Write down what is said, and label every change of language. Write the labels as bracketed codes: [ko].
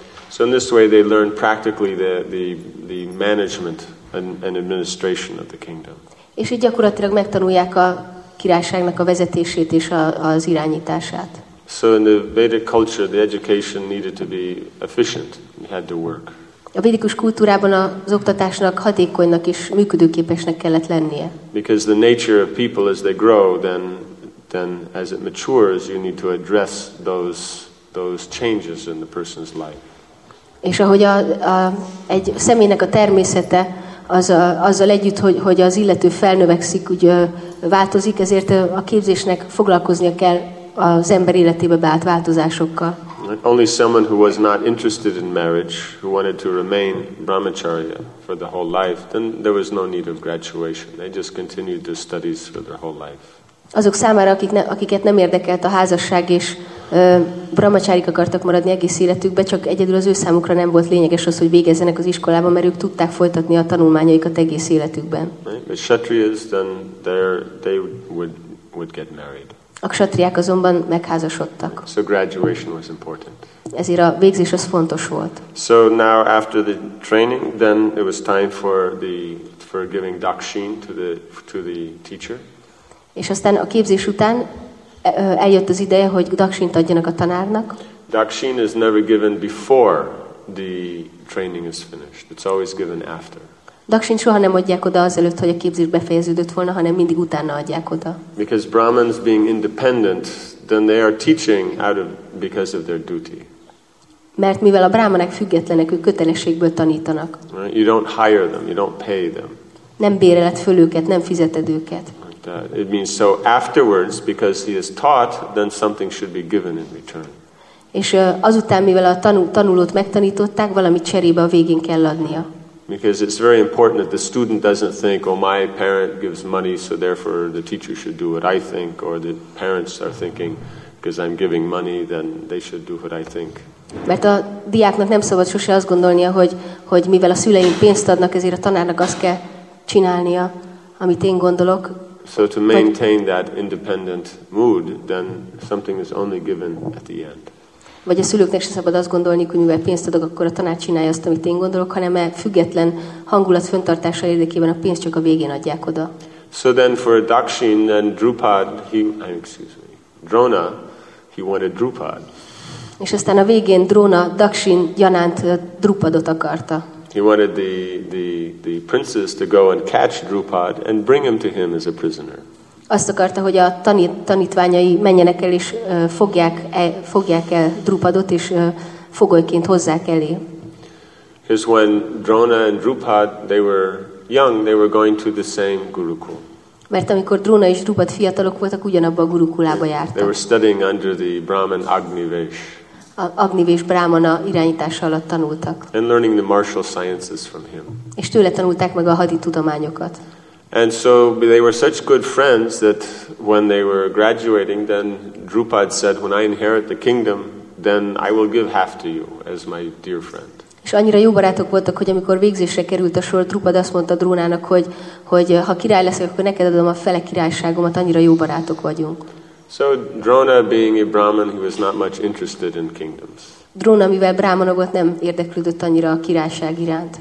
[en] So in this way they learn practically the management and administration of the kingdom. [hu] És így gyakorlatilag megtanulják a királyságnak a vezetését és az irányítását. [en] So in the Vedic culture, the education needed to be efficient. It had to work. [hu] A védikus kultúrában az oktatásnak hatékonynak és működőképesnek kellett lennie. [en] Because the nature of people as they grow, then as it matures, you need to address those changes in the person's life. [hu] És ahogy egy személynek a természete azzal együtt, hogy az illető felnövekszik, úgy változik, ezért a képzésnek foglalkoznia kell az ember életébe beállt változásokkal. [en] Only someone who was not interested in marriage, who wanted to remain brahmacharya for the whole life, then there was no need of graduation. They just continued their studies for their whole life. [hu] Azok számára, akiket nem érdekelt a házasság, és brahmacharik akartak maradni egész életükbe, csak egyedül az ő számukra nem volt lényeges az, hogy végezzenek az iskolában, mert ők tudták folytatni a tanulmányaikat egész életükben. [en] Right? The kshatriyas, then they would get married. [hu] A kshatriák azonban megházasodtak. [en] So graduation was important. [hu] Ezért a végzés az fontos volt. [en] So now after the training, then it was time for giving dakshin to the teacher. [hu] És aztán a képzés után eljött az ideje, hogy dakshint adjanak a tanárnak. [en] Dakshin is never given before the training is finished. It's always given after. [hu] Dakshint soha nem adják oda azelőtt, hogy a képzés befejeződött volna, hanem mindig utána adják oda. [en] Because Brahmins being independent, then they are teaching because of their duty. [hu] Mert mivel a brahmanek függetlenek, ők kötelességből tanítanak. [en] Right? You don't hire them, you don't pay them. [hu] Nem béreled föl őket, nem fizeted őket. [en] It means so afterwards, because he is taught, then something should be given in return. [hu] És azután, mivel a tanulót megtanították, valamit cserébe a végén kell adnia. [en] Because it's very important that the student doesn't think, oh, my parent gives money, so therefore the teacher should do what I think, or the parents are thinking, because I'm giving money, then they should do what I think. [hu] Mert a diáknak nem szabad sose azt gondolnia, hogy mivel a szüleim pénzt adnak, ezért a tanárnak azt kell csinálnia, amit én gondolok. [en] So to maintain that independent mood, then something is only given at the end. [hu] Vagy a szülőknek se szabad azt gondolni, hogy mivel pénzt adok, akkor a tanár csinálja azt, amit én gondolok, hanem a független hangulat fenntartása érdekében a pénzt csak a végén adják oda. [en] So then for a dakshin, then Drupad, Drona, he wanted Drupad. [hu] És aztán a végén Drona, dakshin, Janánt, Drupadot akarta. [en] He wanted the princes to go and catch Drupad and bring him to him as a prisoner. [hu] Azt akarta, hogy a tanítványai menjenek el, és fogják el Drupadot, és fogolyként hozzák elé. [en] Because when Drona and Drupad, they were young, they were going to the same gurukul. [hu] Mert amikor Drona és Drupad fiatalok voltak, ugyanabba a gurukulába jártak. [en] They were studying under the Brahman Agnivesh. [hu] Agnivesh brahmana irányítása alatt tanultak. [en] And learning the martial sciences from him. [hu] És tőle tanulták meg a hadi tudományokat. [en] And so they were such good friends that when they were graduating, then Drupad said, when I inherit the kingdom, then I will give half to you as my dear friend. [hu] És annyira jó barátok voltak, hogy amikor végzésre került a sor, Drupad azt mondta Drónának, hogy ha király leszek, akkor neked adom a fele királyságomat, annyira jó barátok vagyunk. [en] So Drona, being a Brahmin, he was not much interested in kingdoms. [hu] Drona, mivel brahmana volt, nem érdeklődött annyira a királyság iránt.